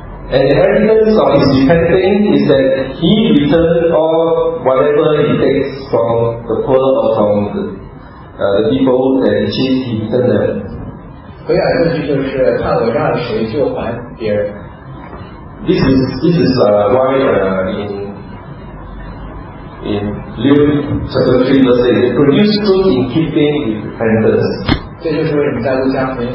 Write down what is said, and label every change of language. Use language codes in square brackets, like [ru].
[en] And the evidence of his repenting is that he returned all whatever he takes from the poor or from the people that he cheated, he returned them. [zh] 悔改证据就是他悔改了谁就还别人。 [en] This is why in Luke chapter 3 verse 8, produce fruit in keeping with repentance.